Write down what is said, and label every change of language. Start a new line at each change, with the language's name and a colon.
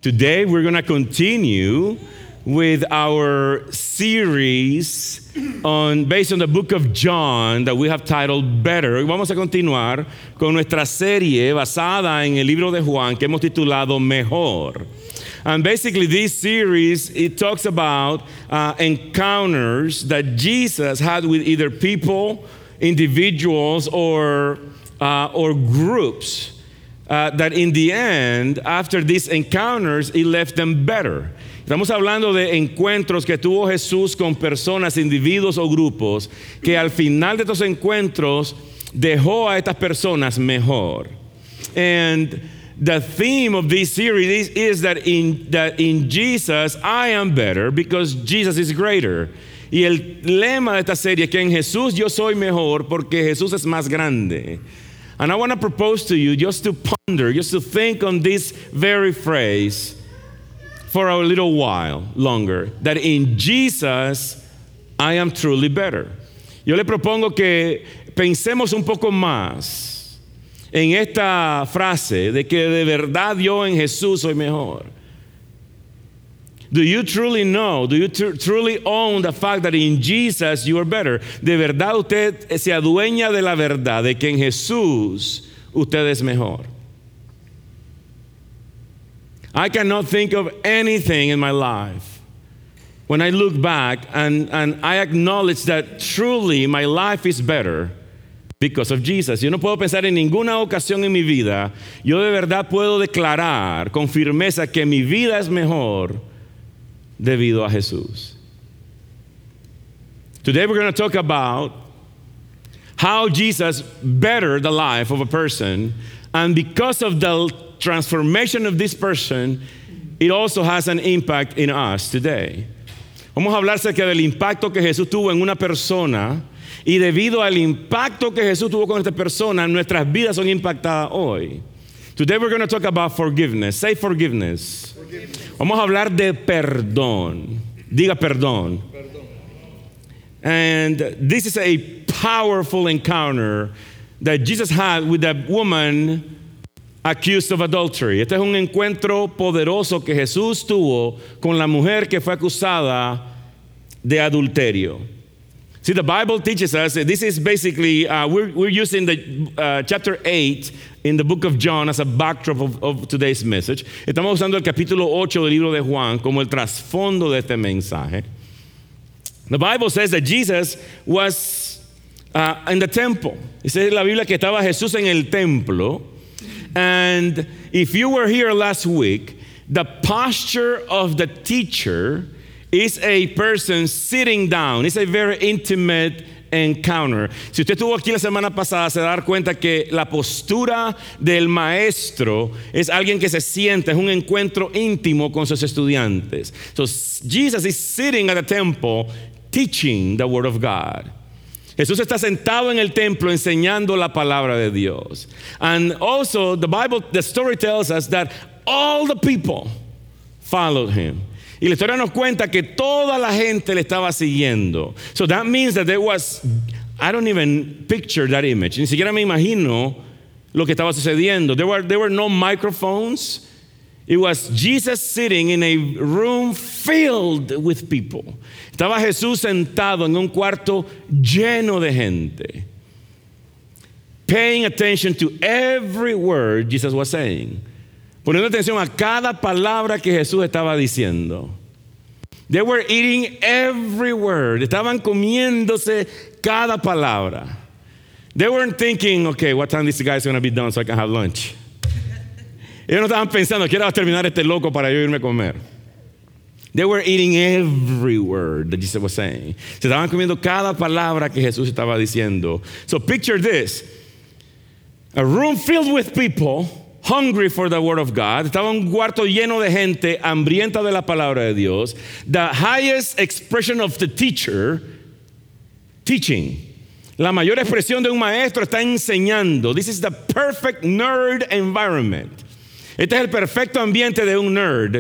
English: Today we're going to continue with our series on based on the book of John that we have titled Better.
Spanish: Hoy vamos a continuar con nuestra serie basada en el libro de Juan que hemos titulado Mejor.
English: And basically this series, it talks about encounters that Jesus had with either people, individuals, or groups. That in the end, after these encounters, it left them better.
Spanish: Estamos hablando de encuentros que tuvo Jesús con personas, individuos o grupos, que al final de estos encuentros dejó a estas personas mejor.
English: And the theme of this series is that in Jesus, I am better because Jesus is greater.
Spanish: Y el lema de esta serie es que en Jesús yo soy mejor porque Jesús es más grande.
English: And I want to propose to you just to ponder, just to think on this very phrase for a little while longer, that in Jesus, I am truly better.
Spanish: Yo le propongo que pensemos un poco más en esta frase de que de verdad yo en Jesús soy mejor.
English: Do you truly know, do you truly own the fact that in Jesus you are better?
Spanish: ¿De verdad usted se adueña de la verdad de que en Jesús usted es mejor?
English: I cannot think of anything in my life when I look back and I acknowledge that truly my life is better because of Jesus.
Spanish: Yo no puedo pensar en ninguna ocasión en mi vida. Yo de verdad puedo declarar con firmeza que mi vida es mejor debido a Jesús.
English: Today we're going to talk about how Jesus bettered the life of a person, and because of the transformation of this person, it also has an impact in us today.
Spanish: Vamos a hablar acerca del impacto que Jesús tuvo en una persona, y debido al impacto que Jesús tuvo con esta persona, nuestras vidas son impactadas hoy.
English: Today we're going to talk about forgiveness. Say forgiveness.
Spanish: Vamos a hablar de perdón. Diga perdón.
English: And this is a powerful encounter that Jesus had with a woman accused of adultery.
Spanish: Este es un encuentro poderoso que Jesús tuvo con la mujer que fue acusada de adulterio.
English: See, the Bible teaches us, this is basically, we're using the chapter 8 in the book of John as a backdrop of today's message.
Spanish: Estamos usando el capítulo 8 del libro de Juan como el trasfondo de este mensaje.
English: The Bible says that Jesus was in the temple.
Spanish: Dice la Biblia que estaba Jesús en el templo.
English: And if you were here last week, the posture of the teacher is a person sitting down. It's a very intimate encounter.
Spanish: Si usted estuvo aquí la semana pasada, se va a dar cuenta que la postura del maestro es alguien que se sienta, es un encuentro íntimo con sus estudiantes.
English: So Jesus is sitting at the temple teaching the word of God.
Spanish: Jesús está sentado en el templo enseñando la palabra de Dios.
English: And also the Bible, the story tells us that all the people followed him.
Spanish: Y la historia nos cuenta que toda la gente le estaba siguiendo.
English: So that means that there was, I don't even picture that image.
Spanish: Ni siquiera me imagino lo que estaba sucediendo.
English: There were no microphones. It was Jesus sitting in a room filled with people.
Spanish: Estaba Jesús sentado en un cuarto lleno de gente,
English: paying attention to every word Jesus was saying.
Spanish: Poniendo atención a cada palabra que Jesús estaba diciendo.
English: They were eating every word.
Spanish: Estaban comiéndose cada palabra.
English: They weren't thinking, okay, what time this guy is going to be done so I can have lunch.
Spanish: Ellos no estaban pensando, ¿qué hora va a terminar este loco para yo irme a comer?
English: They were eating every word that Jesus was saying.
Spanish: Se estaban comiendo cada palabra que Jesús estaba diciendo.
English: So picture this. A room filled with people hungry for the word of God.
Spanish: Estaba un cuarto lleno de gente hambrienta de la palabra de Dios.
English: The highest expression of the teacher teaching.
Spanish: La mayor expresión de un maestro está enseñando.
English: This is the perfect nerd environment.
Spanish: Este es el perfecto ambiente de un nerd.